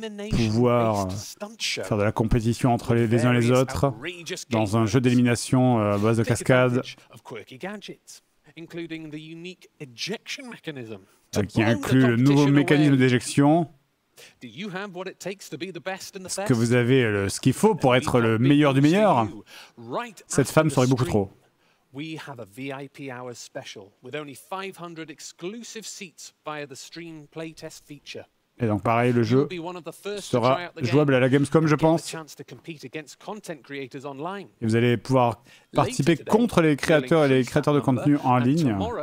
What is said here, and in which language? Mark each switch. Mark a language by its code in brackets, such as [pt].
[fr] Pouvoir faire de la compétition entre les uns et les autres dans un jeu d'élimination à base de cascades, qui inclut le nouveau mécanisme d'éjection. Est-ce que vous avez ce qu'il faut pour être le meilleur du meilleur? Cette femme serait beaucoup trop. [en] We have a VIP hours special with only 500 exclusive seats via the stream playtest feature. [fr] Et donc pareil, le jeu sera jouable à la Gamescom, je pense. Et vous allez pouvoir participer contre les créateurs et les créateurs de contenu en ligne.